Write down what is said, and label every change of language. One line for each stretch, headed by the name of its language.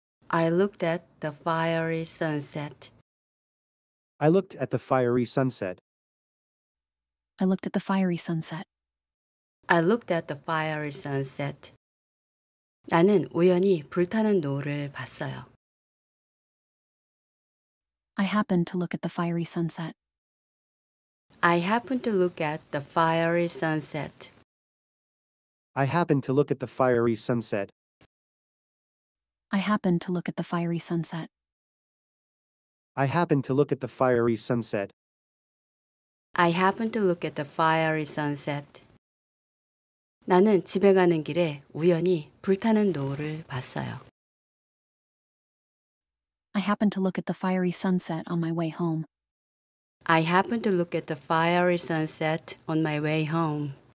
English: I looked at the fiery sunset. I looked at the fiery sunset. I looked at the fiery sunset. I looked at the fiery sunset.
Korean: 나는 우연히 불타는 노을을 봤어요.
English: I happened to look at the fiery sunset. I happened to look at the fiery sunset. I happened to look at the fiery sunset. I happened to look at the fiery sunset. I happened to look at the fiery sunset. I happened to look at the fiery sunset.
Korean: 나는 집에 가는 길에 우연히 불타는 노을을 봤어요.
English: I happened to look at the fiery sunset on my way home. I happened to look at the fiery sunset on my way home.